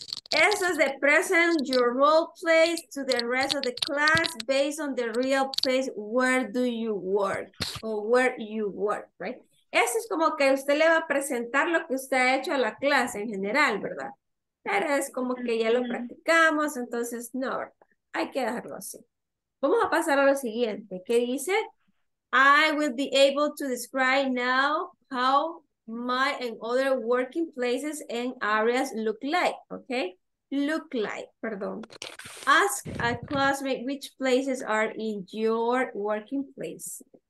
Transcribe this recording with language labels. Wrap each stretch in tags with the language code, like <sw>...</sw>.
<es>Eso es de</es> <en>present your role plays to the rest of the class based on the real place where do you work or where you work, right?</en> <es>Eso es como que usted le va a presentar lo que usted ha hecho a la clase en general, ¿verdad? Pero es como que ya lo practicamos, entonces no, ¿verdad? Hay que dejarlo así. Vamos a pasar a lo siguiente. ¿Qué dice?</es> <en>I will be able to describe now how my and other working places and areas look like, okay? Look like, perdón. Ask a classmate which places are in your working place.</en>